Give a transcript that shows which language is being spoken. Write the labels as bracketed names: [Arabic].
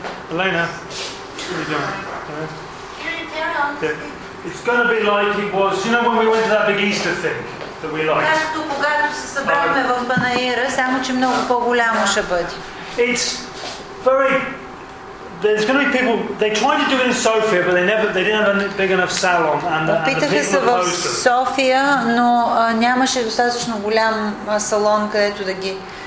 [English] Elena, what are you doing? Yeah. It's going to be like it was, you know when we went to that big Easter thing that we liked. [Bulgarian] Както когато се събраме в Банаира, само че много по-голямо ще бъде. [English] It's very there's going to be people they tried to do it in Sofia but they didn't have a big enough salon and the people opposed [Bulgarian] се в София, но нямаше достатъчно голям салон, където да ги